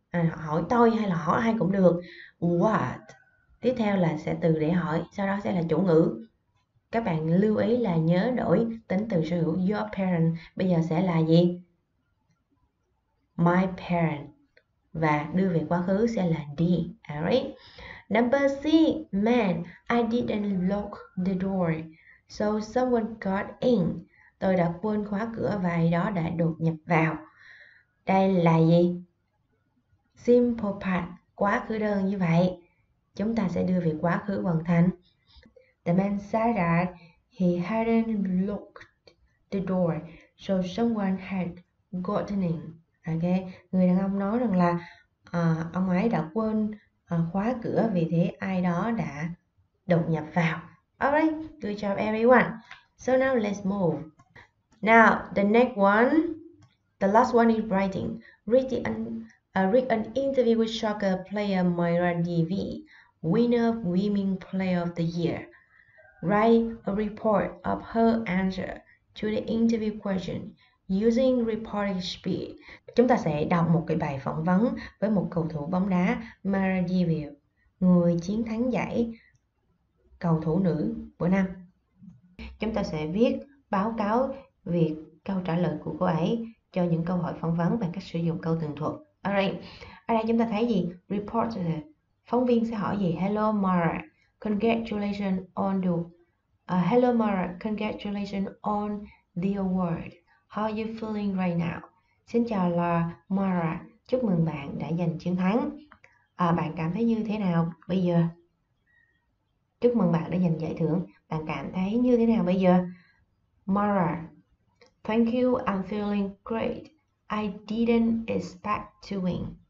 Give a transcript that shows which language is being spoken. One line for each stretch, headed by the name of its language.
Vietnamese: Hỏi tôi hay là hỏi ai cũng được.
English: What?
Vietnamese: Tiếp theo là sẽ từ để hỏi. Sau đó sẽ là chủ ngữ. Các bạn lưu ý là nhớ đổi tính từ sở hữu
English: your parent.
Vietnamese: Bây giờ sẽ là gì?
English: My parent.
Vietnamese: Và đưa về quá khứ sẽ là did.
English: Alright. Number C, man, I didn't lock the door. So someone got in.
Vietnamese: Tôi đã quên khóa cửa và ai đó đã đột nhập vào. Đây là gì? Simple past, quá khứ đơn như vậy. Chúng ta sẽ đưa về quá khứ hoàn thành.
English: The man said that he hadn't locked the door, so someone had gotten in. Okay.
Vietnamese: Người đàn ông nói rằng là ông ấy đã quên khóa cửa, vì thế ai đó đã đột nhập vào.
English: Alright, good job everyone. So now let's move. Now the next one, the last one is writing. Read an interview with soccer player Myra DV, winner of Women Player of the Year. Write a report of her answer to the interview question using reporting speed.
Vietnamese: Chúng ta sẽ đọc một cái bài phỏng vấn với một cầu thủ bóng đá Myra DV, người chiến thắng giải cầu thủ nữ của năm. Chúng ta sẽ viết báo cáo việc câu trả lời của cô ấy cho những câu hỏi phỏng vấn bằng cách sử dụng câu tường thuật.
English: Alright.
Vietnamese: Ở đây chúng ta thấy gì? Reporter. Phóng viên sẽ hỏi gì?
English: Hello Mara. Congratulations on the Hello Mara, congratulations on the award. How are you feeling right now?
Vietnamese: Xin chào là Mara, chúc mừng bạn đã giành chiến thắng. Bạn cảm thấy như thế nào bây giờ? Chúc mừng bạn đã giành giải thưởng. Bạn cảm thấy như thế nào bây giờ? Mara.
English: Thank you, I'm feeling great. I didn't expect to win.